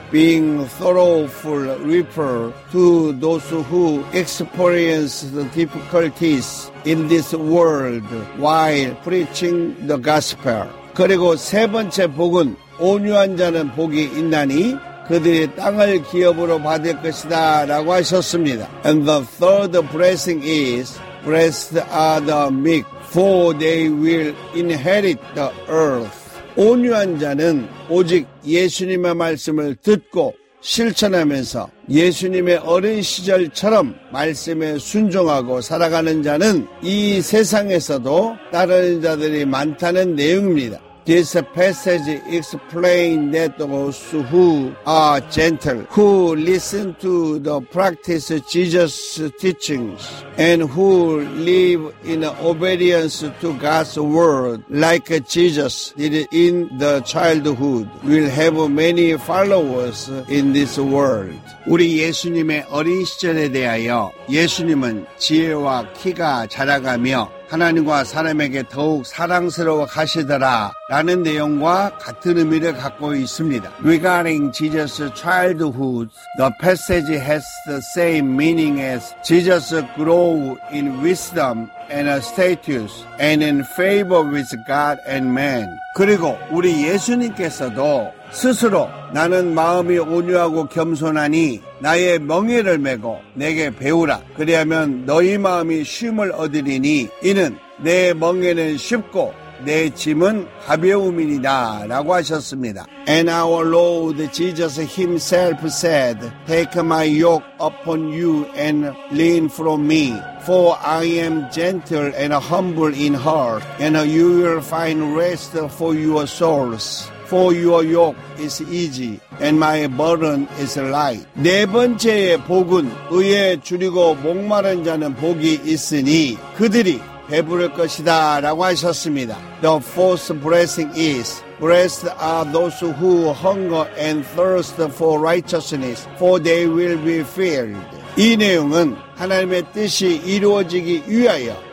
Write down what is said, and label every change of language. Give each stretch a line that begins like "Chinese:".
English: Being sorrowful refers to those who experience the difficulties in this world while preaching the gospel.
Korean: 그리고 세 번째 복은 온유한 자는 복이 있나니 그들이 땅을 기업으로 받을 것이다 라고 하셨습니다.
English: And the third blessing is Blessed are the meek for they will inherit the earth.
Korean: 온유한 자는 오직 예수님의 말씀을 듣고 실천하면서 예수님의 어린 시절처럼 말씀에 순종하고 살아가는 자는 이 세상에서도 따르는 자들이 많다는 내용입니다.
English: This passage explains that those who are gentle, who listen to the practice of Jesus' teachings, and who live in obedience to God's word, like Jesus did in the childhood, will have many followers in this world.
Korean: 우리 예수님의 어린 시절에 대하여 예수님은 지혜와 키가 자라가며 하나님과 사람에게 더욱 사랑스러워 가시더라 라는 내용과 같은 의미를 갖고 있습니다.
English: Regarding Jesus' childhood, the passage has the same meaning as Jesus grew in wisdom and status and in favor with God and man.
Korean: 그리고 우리 예수님께서도 스스로 나는 마음이 온유하고 겸손하니 나의 멍에를 메고 내게 배우라 그리하면 너희 마음이 쉼을 얻으리니 이는 내 멍에는 쉽고 내 짐은 가벼움이니라 라고 하셨습니다.
English: And our Lord Jesus himself said Take my yoke upon you and learn from me For I am gentle and humble in heart and you will find rest for your souls For your yoke is easy and my burden is light.
Korean: 네 번째의 복은 의에 주리고 목마른 자는 복이 있으니 그들이 배부를 것이다 라고 하셨습니다.
English: The fourth blessing is Blessed are those who hunger and thirst for righteousness for they will be filled.
Korean: 이 내용은 하나님의 뜻이 이루어지기 위하여